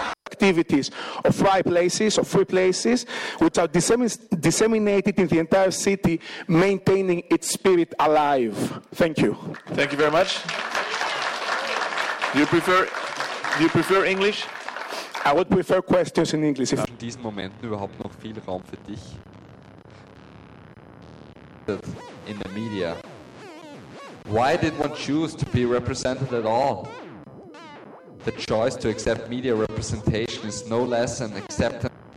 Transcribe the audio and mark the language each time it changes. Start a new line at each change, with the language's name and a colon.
English: activities of fly places, of free places, which are disseminated in the entire city, maintaining its spirit alive. Thank you. Thank you very much. Do you prefer English? I would prefer questions in English.
German: In diesen Momenten überhaupt noch viel Raum für dich?
English: In the media. Why did one choose to be represented at all? The choice to accept media representation is no less an acceptance.